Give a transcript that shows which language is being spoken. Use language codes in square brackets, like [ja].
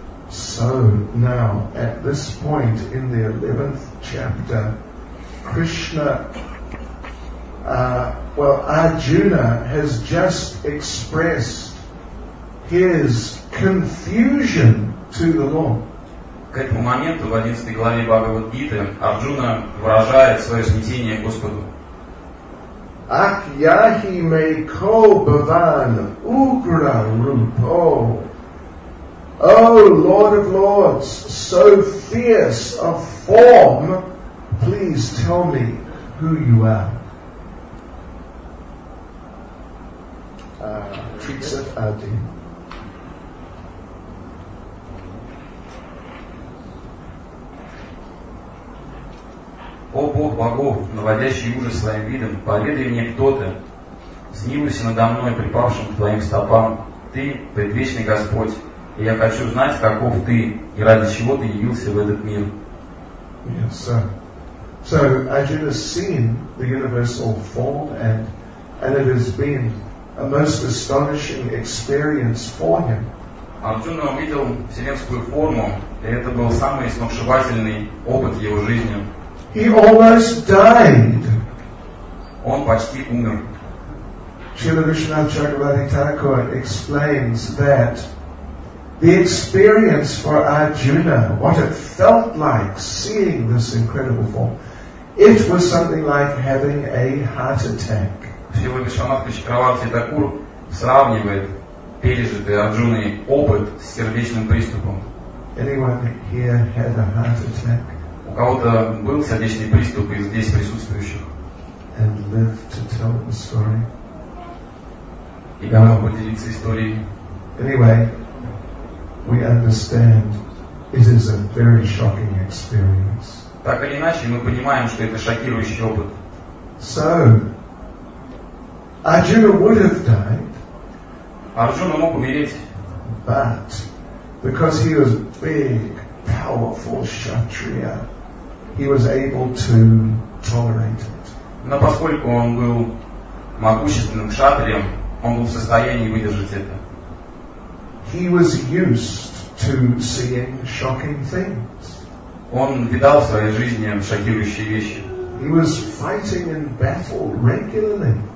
[en] So now, at this point in the 11th chapter, Krishna, Arjuna has just expressed his confusion to the Lord. [ru] К этому моменту в 11 главе Бхагавад-гиты Арджуна выражает свое смятение Господу. [sa] Ах яхи мей ко бхаван угра рупо. [en] О, Lord of Lords, so fierce of form, please tell me who you are. Triksit Adi. [ru] О, Бог богов, наводящий ужас своим видом, поведай мне, кто ты. Снилуйся надо мной, припавшим к твоим стопам. Ты – предвечный Господь. И я хочу знать, каков ты, и ради чего ты явился в этот мир. [en] Yes, sir. So, Arjuna's seen the universal form, and it has been a most astonishing experience for him. [ru] Арджуна увидел вселенскую форму, и это был самый сногсшибательный опыт его жизни. [en] He almost died. [ru] Он почти умер. [en] Śrīla Viṣṇu Chakravarti Thakura explains that the experience for Arjuna, what it felt like seeing this incredible form, it was something like having a heart attack. [ru] Śrīla Viṣṇu Chakravarti Thakura сравнивает пережитый Арджуной опыт с сердечным приступом. [en] Anyone here had a heart attack? [ru] У кого-то был сердечный приступ из здесь присутствующих? [en] And live to tell the story. [ru] И готов поделиться историей? [en] Anyway, we understand it is a very shocking experience. [ru] Так или иначе, мы понимаем, что это шокирующий опыт. [en] So, Arjuna would have died. [ru] Арджуна мог умереть. [en] But, because he was big, powerful kshatriya, he was able to tolerate it. [ru] Но поскольку он был могущественным кшатрием, он был в состоянии выдержать это. [en] He was used to seeing shocking things. [ru] Он видал в своей жизни шокирующие вещи. [en] He was fighting in battle regularly.